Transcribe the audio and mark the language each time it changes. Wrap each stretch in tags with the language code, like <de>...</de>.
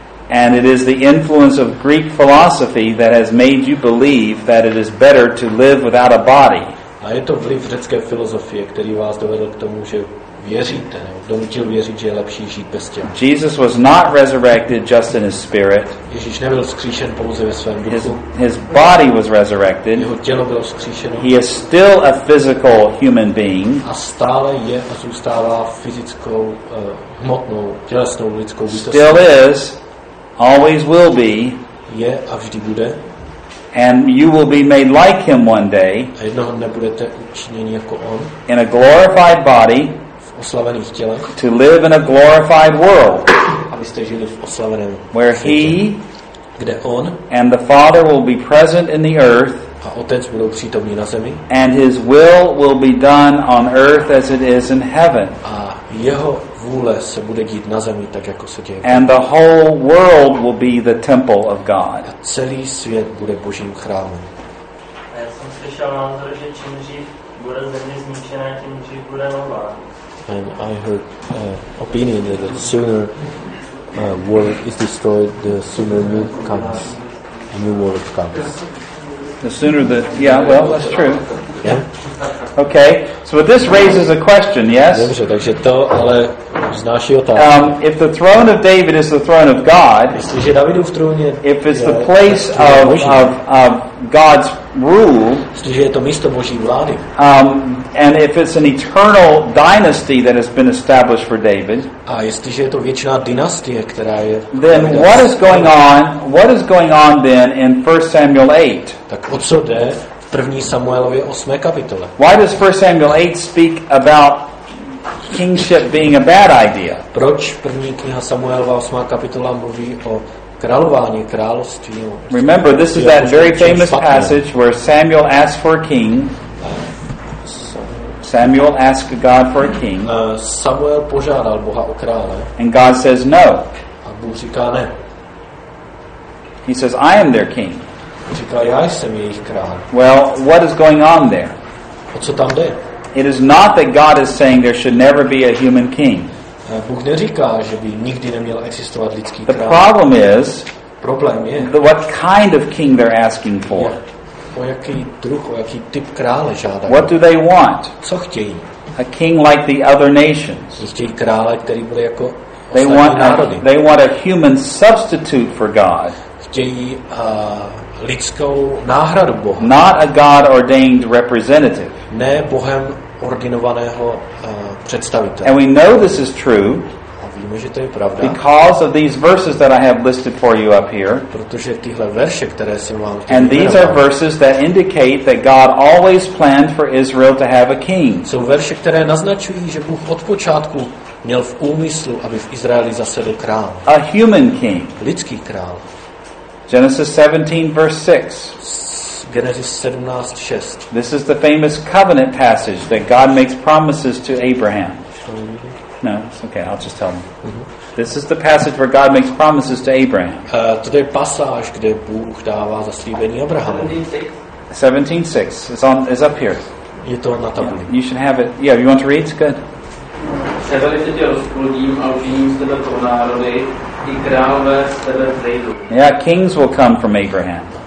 <en>And it is the influence of Greek philosophy that has made you believe that it is better to live without a body.</en> <cs>A je to vliv řecké filozofie, který vás dovedl k tomu, že věříte, donutil věřit, že je lepší žít bez těla.</cs> <en>Jesus was not resurrected just in his spirit.</en> <cs>Ježíš nebyl vzkříšen pouze ve svém duchu.</cs> <en>His body was resurrected.</en> <cs>Jeho tělo bylo vzkříšeno.</cs> <en>He is still a physical human being.</en> <cs>A stále je a zůstává fyzickou, hmotnou, tělesnou lidskou bytostí.</cs> <en>Still is, always will be.</en> <cs>Je a vždy bude.</cs> <en>And you will be made like him one day.</en> <cs>A jednoho dne budete učiněni jako on.</cs> <en>In a glorified body.</en> <cs>V oslavených tělech.</cs> <en>To live in a glorified world.</en> <cs>Abyste žili v oslaveném.</cs> <en>Where he.</en> <cs>Kde on.</cs> <en>And the Father will be present in the earth.</en> <cs>A Otec budou přítomní na zemi.</cs> <en>And his will be done on earth as it is in heaven.</en> <cs>A jeho vůle se bude dít na zemi tak, jako se děje.</cs> <en>And the whole world will be the temple of God.</en> <cs>A celý svět bude Božím chrámem. A já jsem slyšel názor, že čím dřív bude země zničená, tím dřív bude nová.</cs> <en>And I heard opinion that the sooner world is destroyed, the sooner new comes. New world comes. The sooner that, yeah, well, that's true. Yeah. Okay. So this raises a question, yes?</en> <cs>Dobře, takže to, ale vznáší otázku.</cs> <en>If the throne of David is the throne of God,</en> <cs>jestliže Davidův trůn je,</cs> <en>if it's the place of God's rule,</en> <cs>jestliže je to místo Boží vlády,</cs> <en>and if it's an eternal dynasty that has been established for David,</en> <cs>a jestliže je to věčná dynastie, která je,</cs> <en>then what is going on? What is going on then in 1 Samuel 8?</en> <cs>Tak o co jde? První Samuelově 8. kapitole.</cs> <en>Why does 1 Samuel 8 speak about kingship being a bad idea?</en> <cs>Proč první kniha Samuelova 8. kapitola mluví o králování, království?</cs> <en>Remember, this is that very famous passage where Samuel asked for a king. Samuel asked God for a king.</en> <cs>Samuel požádal Boha o krále.</cs> <en>And God says no.</en> <cs>A Bůh říká ne.</cs> <en>He says, I am their king.</en> <cs>Říká, já jsem jejich král.</cs> <en>Well, what is going on there?</en> <cs>O co tam jde?</cs> <en>It is not that God is saying there should never be a human king.</en> <cs>Bůh neříká, že by nikdy neměl existovat lidský král.</cs> <en>The problem is,</en> <cs>problém je,</cs> <en>what kind of king they're asking for.</en> <cs>o jaký druh, o jaký typ krále žádají.</cs> <en>What do they want?</en> <cs>Co chtějí?</cs> <en>A king like the other nations.</en> <cs>Chtějí krále, který bude jako</cs> <en>they want národy. They want a human substitute for God.</en> <cs>Chtějí lidskou náhradu Boha.</cs> <en>Not a God ordained representative.</en> <cs>Ne Bohem ordinovaného představitele.</cs> <en>And we know this is true.</en> <cs>Víme, že to je pravda.</cs> <en>Because of these verses that I have listed for you up here.</en> <cs>Protože tyhle verše, které jsem vám říkal.</cs> <en>And these are verses that indicate that God always planned for Israel to have a king.</en> <cs>Jsou verše, které naznačují, že Bůh od počátku měl v úmyslu, aby v Izraeli zasedl král.</cs> <en>A human king.</en> <cs>Lidský král.</cs> <en>Genesis 17 verse 6.</en> <cs>Genesis 17:6.</cs> <en>This is the famous covenant passage that God makes promises to Abraham. No, it's okay, I'll just tell them. Mm-hmm. This is the passage where God makes promises to Abraham.</en> <cs>To je pasáž, kde Bůh dává zaslíbení Abrahamu.</cs> <en>17:6. It's up here.</en> <cs>Je to na tabuli.</cs> <en>Yeah, you should have it. Yeah, you want to read? It's good.</en> <cs>Sebeli se tě rozplodím a učiním z tebe pro národy, i králové z tebe vzejdou.</cs> <en>Yeah, kings will come from Abraham.</en>